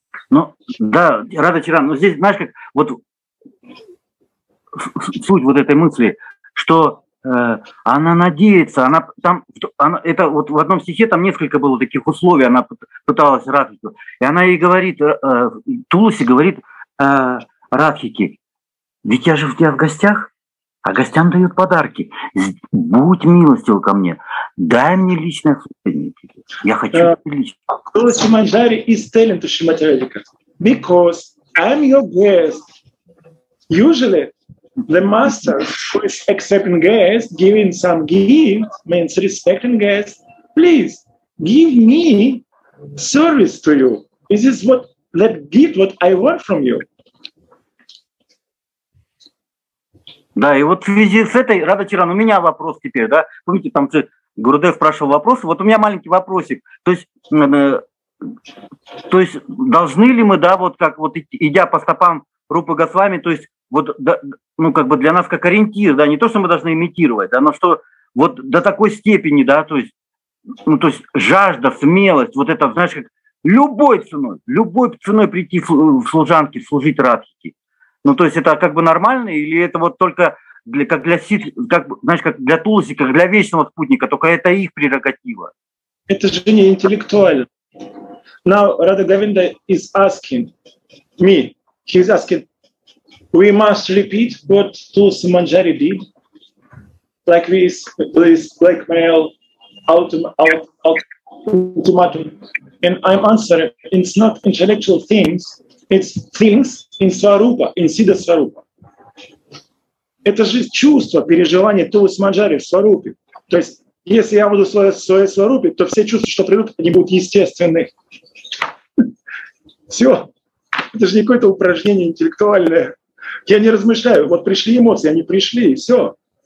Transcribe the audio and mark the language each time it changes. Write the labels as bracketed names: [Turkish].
[Russian] Ну, да, Рада Чиран, но здесь, знаешь, как вот суть вот этой мысли, что она надеется, она там, это вот в одном стихе там несколько было таких условий, она пыталась Радхику, и она ей говорит, Тулуси говорит Радхике, ведь я же у тебя в гостях, а гостям дают подарки, будь милостив ко мне, дай мне личное служение, я хочу лично. [English] Тулуси Манджари is telling to Srimati Radhika, because I'm your guest, usually the master who is accepting guests, giving some gift, means respecting guests. Please give me service to you. This is what that gift, what I want from you. [Russian] Да, и вот в связи с этой, Рада Чиран, у меня вопрос теперь, да? Помните, там Гурудев спрашивал вопрос, вот у меня маленький вопросик. То есть должны ли мы, да, вот как вот идя по стопам Рупы Госвами, то есть вот, да, ну, как бы для нас как ориентир, да, не то, что мы должны имитировать, да, но что вот до такой степени, да, то есть жажда, смелость, вот это, знаешь, как любой ценой прийти в служанки, служить Радхике. Ну, то есть это как бы нормально, или это вот только для Туласи, как для вечного спутника, только это их прерогатива? Это же не интеллектуально. [English] Now Radha Govinda is asking me, he's asking, we must repeat what Tulsi Manjari did, like this blackmail, ultimatum. And I'm answering, it's not intellectual things, it's things in Swarupa, in Siddha Swarupa. [Russian] Это же чувство, переживание Тулуси Манджари в Сварупе. То есть, если я буду в своей Сварупе, то все чувства, что придут, они будут естественны. Все. Это же не какое-то упражнение интеллектуальное. Я не размышляю. Вот пришли эмоции, они пришли, и все.